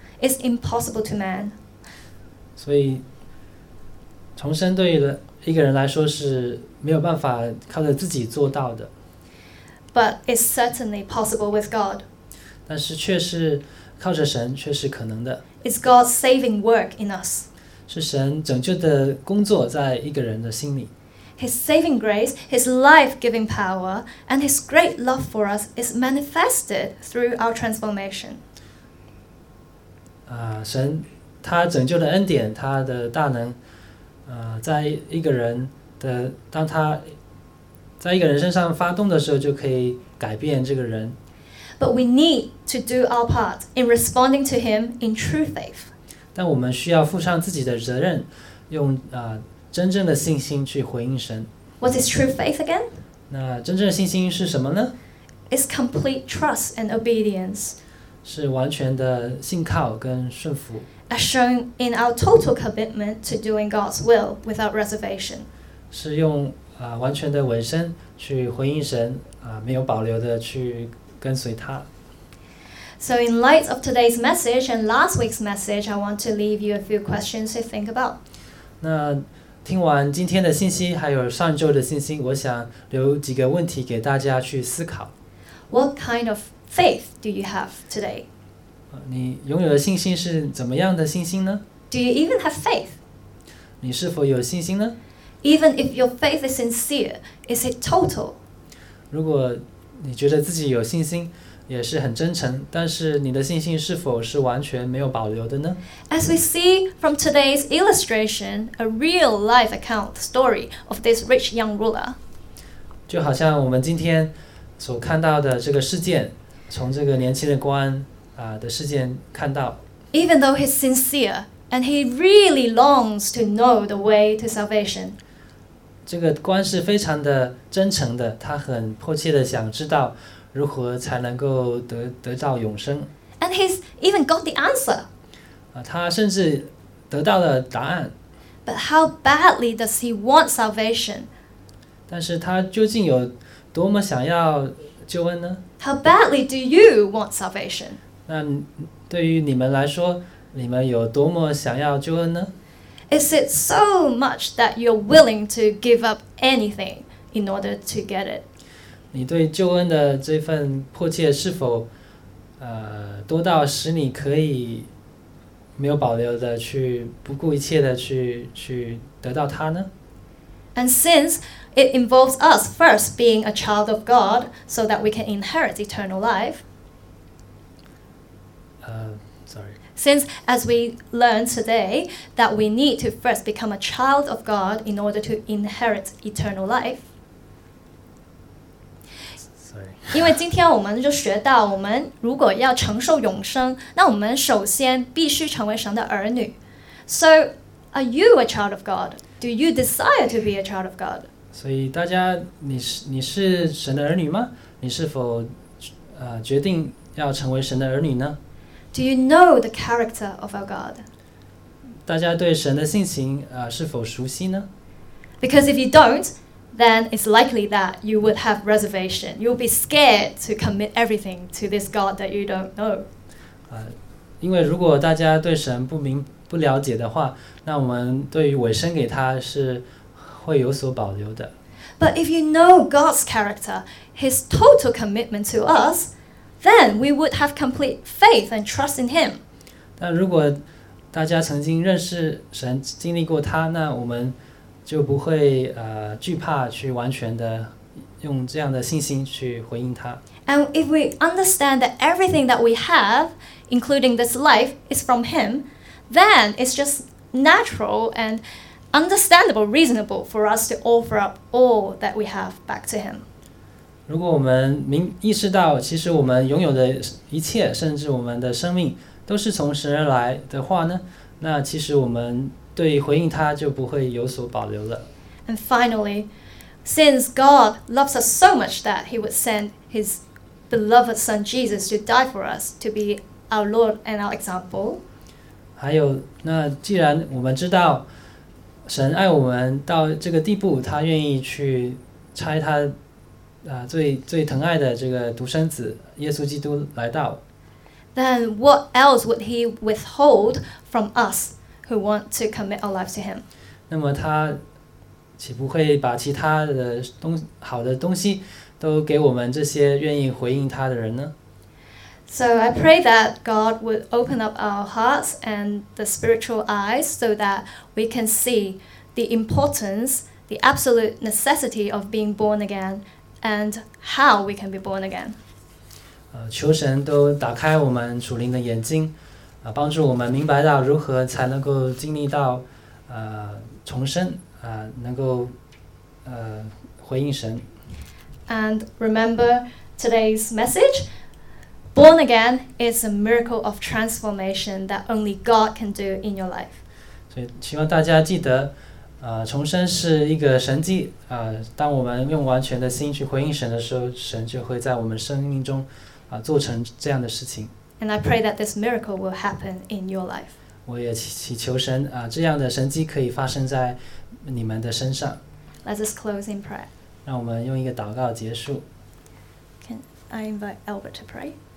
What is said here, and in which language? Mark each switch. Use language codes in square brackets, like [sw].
[en] It's impossible to man. [zh] 所以重生对于一个人来说是没有办法靠着自己做到的。 [en] But it's certainly possible with God. [zh] 但是却是靠着神，却是可能的。 [en] It's God's saving work in us. [zh] 是神拯救的工作在一个人的心里。 [en] His saving grace, His life-giving power, and His great love for us is manifested through our transformation. [zh] 神他拯救的恩典，他的大能，在一个人的当他在一个人身上发动的时候，就可以改变这个人。 [en] But we need to do our part in responding to him in true faith. [zh] 但我们需要负上自己的责任，用真正的信心去回应神。 [en] What is true faith again? [zh] 那真正的信心是什么呢？ [en] It's complete trust and obedience. [zh] 是完全的信靠跟顺服。 [en] As shown in our total commitment to doing God's will without reservation. [zh] 是用完全的委身去回应神，没有保留的去跟随他。 [en] So in light of today's message and last week's message, I want to leave you a few questions to think about. [zh] 那听完今天的信息还有上周的信息，我想留几个问题给大家去思考。 [en] What kind of faith do you have today? [zh] 你拥有的信心是怎么样的信心呢？ [en] Do you even have faith? [zh] 你是否有信心呢？ [en] Even if your faith is sincere, is it total? [zh] 如果你觉得自己有信心，也是很真诚，但是你的信心是否是完全没有保留的呢？ [en] As we see from today's illustration, a real life account story of this rich young ruler. [zh] 就好像我们今天所看到的这个事件，从这个年轻的官的事件看到。 [en] Even though he's sincere,And he really longs to know the way to salvation. [zh] 这个官是非常的真诚的，他很迫切的想知道如何才能够 得到永生。 [en] And he's even got the answer. [zh] 他甚至得到了答案。 [en] But how badly does he want salvation? [zh] 但是他究竟有多么想要救恩呢？ [en] How badly do you want salvation? [zh] 那对于你们来说，你们有多么想要救恩呢？ [en] Is it so much that you're willing to give up anything in order to get it? [zh] 你对救恩的这份迫切是否多到使你可以没有保留的去不顾一切的去得到它呢？ [en] And since it involves us first being a child of God so that we can inherit eternal life, Since as we learned today that we need to first become a child of God in order to inherit eternal life. [zh] 因为今天我们就学到，我们如果要承受永生，那我们首先必须成为神的儿女。 [en] So, are you a child of God? Do you desire to be a child of God? [zh] 所以大家，你是神的儿女吗？你是否决定要成为神的儿女呢？ [en] Do you know the character of our God? [zh] 大家对神的性情是否熟悉呢？ [en] Because if you don't,then it's likely that you would have reservation. You'll be scared to commit everything to this God that you don't know. [zh] 因为如果大家对神不了解的话，那我们对于委身给他是会有所保留的。 [en] But if you know God's character, His total commitment to us, then we would have complete faith and trust in Him. [zh] 但如果大家曾经认识神，经历过他，那我们就不会惧怕去完全的用这样的信心去回应他。 [en] And if we understand that everything that we have, including this life, is from Him, then it's just natural and understandable, reasonable for us to offer up all that we have back to Him. [zh] 如果我们意识到其实我们拥有的一切，甚至我们的生命都是从神而来的话呢，那其实我们对回应他就不会有所保留了。 [en] And finally, since God loves us so much that He would send His beloved Son Jesus to die for us, to be our Lord and our example. [zh] 还有，那既然我们知道神爱我们到这个地步，他愿意去差他最疼爱的这个独生子耶稣基督来到。 [en] Then what else would He withhold from us? Who want to commit our lives to Him? [zh] 那么他岂不会把其他的好的东西都给我们这些愿意回应他的人呢？ [en] So I pray that God would open up our hearts and the spiritual eyes so that we can see the importance, the absolute necessity of being born again and how we can be born again. [zh] 求神都打开我们属灵的眼睛。帮助我们明白到如何才能够经历到重生能够回应神。 [en] And remember today's message, born again is a miracle of transformation that only God can do in your life. [zh] 所以希望大家记得重生是一个神迹当我们用完全的心去回应神的时候，神就会在我们生命中做成这样的事情。 [en] And I pray that this miracle will happen in your life. [zh] 我也祈求神这样的神迹可以发生在你们的身上。 [en] Let us close in prayer. [zh] 让我们用一个祷告结束。 [en] Can I invite Albert to pray?